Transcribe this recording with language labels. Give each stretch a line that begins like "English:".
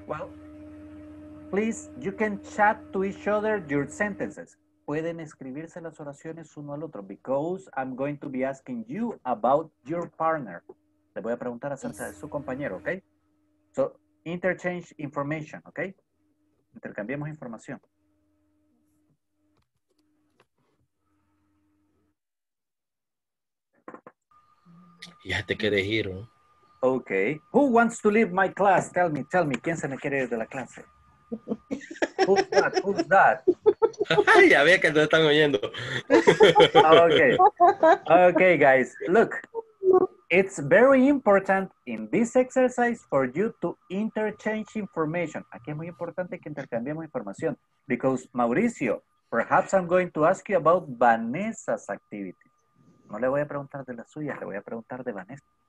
English: Well, please, you can chat to each other your sentences.
Spanish: Pueden escribirse las oraciones uno al otro.
English: Because I'm going to be asking you about your partner.
Spanish: Le voy a preguntar acerca de su compañero, okay?
English: So, interchange information, okay?
Spanish: Intercambiemos información. Ya te quieres ir, ¿no?
English: Okay. Who wants to leave my class? Tell me.
Spanish: ¿Quién se me quiere ir de la clase?
English: Who's that?
Spanish: Ay, ya ve que nos están oyendo.
English: Okay. Okay, guys. Look. It's very important in this exercise for you to interchange information.
Spanish: Aquí es muy importante que intercambiemos información.
English: Because, Mauricio, perhaps I'm going to ask you about Vanessa's activity.
Spanish: No le voy a preguntar de la suya, le voy a preguntar de Vanessa.